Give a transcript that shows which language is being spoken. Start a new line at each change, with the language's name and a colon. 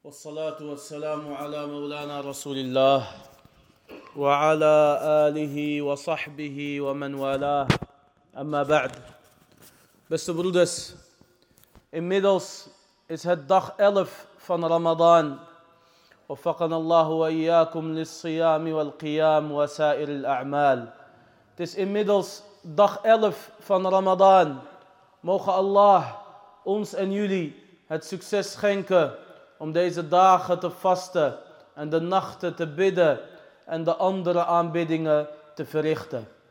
Arabic: والصلاة والسلام على مولانا رسول الله وعلى آله وصحبه ومن والاه أما بعد.
Dutch: Beste broeders, inmiddels is het dag 11 van Ramadan.
Arabic: وفقنا الله وإياكم للصيام والقيام وسائر الأعمال.
Dutch: Het is inmiddels dag 11 van Ramadan. Moge Allah ons en jullie het succes schenken om deze dagen te vasten en de nachten te bidden en de andere aanbiddingen te verrichten.